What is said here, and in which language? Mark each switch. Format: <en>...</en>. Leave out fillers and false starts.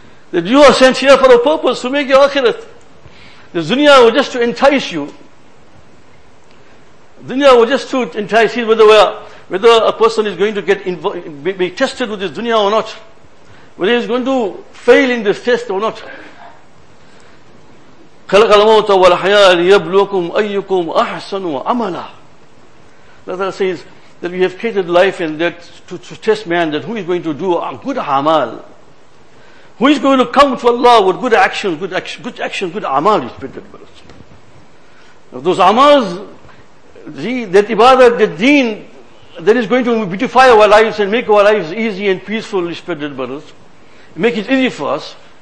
<en>That you are sent here for a purpose to make your akhirat. The dunya was just to entice you. Dunya was just to entice you, whether a person is going to get be tested with this dunya or not. Whether he's going to fail in this test or not.</en> <ar>خلق الموت والحياة ليبلوكم أيكم أحسن عملا.</ar> <en>Allah says that we have created life and death to test man, that who is going to do a good amal, who is going to come to Allah with good action, good amal is spread. Those amals, that ibadah, that deen, that is going to beautify our lives and make our lives easy and peaceful, is spread, make it easy for us.</en>